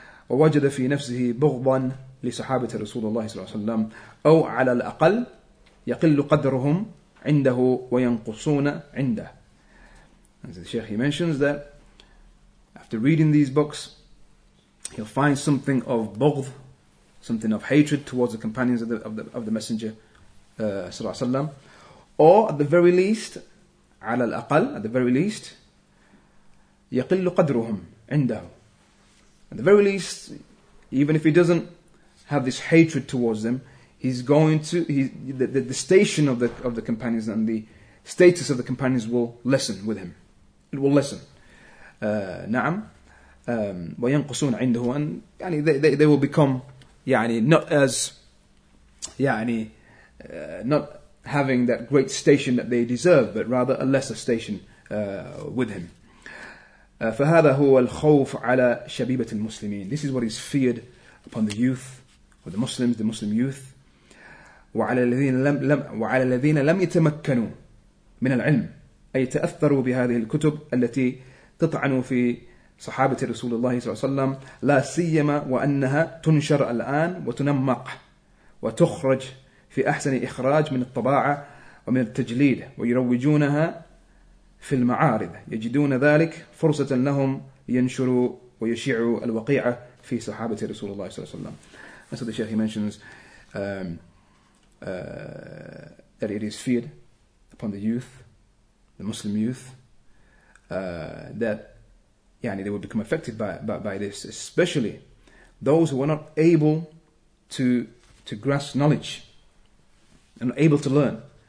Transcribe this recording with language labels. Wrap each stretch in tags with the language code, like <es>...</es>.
<ar>ووجد في نفسه بغضا لصحابة رسول الله صلى الله عليه وسلم أو على الأقل يقل قدرهم عنده وينقصون عنده.</ar> <en>As the Shaykh, he mentions that after reading these books, he'll find something of bughd, something of hatred towards the companions of the Messenger, sallallahu alaihi wasallam, or at the very least,</en> <ar>على الأقل,</ar> <en>at the very least,</en> <ar>يقل قدرهم عنده.</ar> <en>At the very least, even if he doesn't have this hatred towards them, the station of the companions and the status of the companions will lessen with him. It will lessen.</en> <ar>نعم. وينقصون عنده,</ar> <en>and يعني they will become يعني not as يعني not having that great station that they deserve, but rather a lesser station with him.</en> <ar>فهذا هو الخوف على شبيبة المسلمين.</ar> <en>This is what is feared upon the youth or the Muslims, the Muslim youth.</en> <ar>وعلى الذين لم يتمكنوا من العلم, أي تأثروا بهذه الكتب التي تطعن في صحابة رسول الله صلى الله عليه وسلم, لا سيما وأنها تنشر الآن وتنمق وتخرج في أحسن إخراج من الطباعة ومن التجليد, ويروجونها في المعارض يجدون ذلك فرصة لهم ينشروا ويشيعوا الوقيعة في صحابة رسول الله صلى الله عليه وسلم.</ar> <en>And so the Sheikh, he mentions that it is feared upon the youth, the Muslim youth, that يعني, they will become affected by this, especially those who are not able to grasp knowledge and not able to learn,</en>